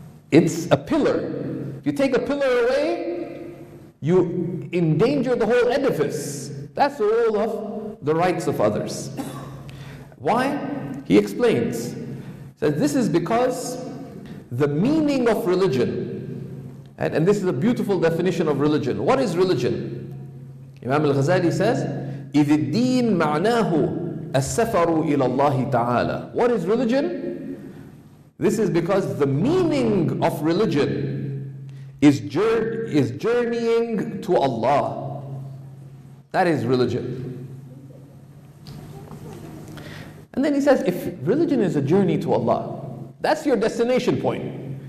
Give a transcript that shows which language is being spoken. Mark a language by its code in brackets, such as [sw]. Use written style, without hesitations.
[en] It's a pillar. If you take a pillar away, you endanger the whole edifice. That's the role of the rights of others. Why? He explains. He says, this is because the meaning of religion, and this is a beautiful definition of religion. What is religion? Imam al-Ghazali says, [ar] إِذِ الدِّينَ مَعْنَاهُ السَّفَرُ إِلَى اللَّهِ تَعَالَى. [en] What is religion? This is because the meaning of religion is journeying to Allah. That is religion. And then he says, if religion is a journey to Allah, that's your destination point.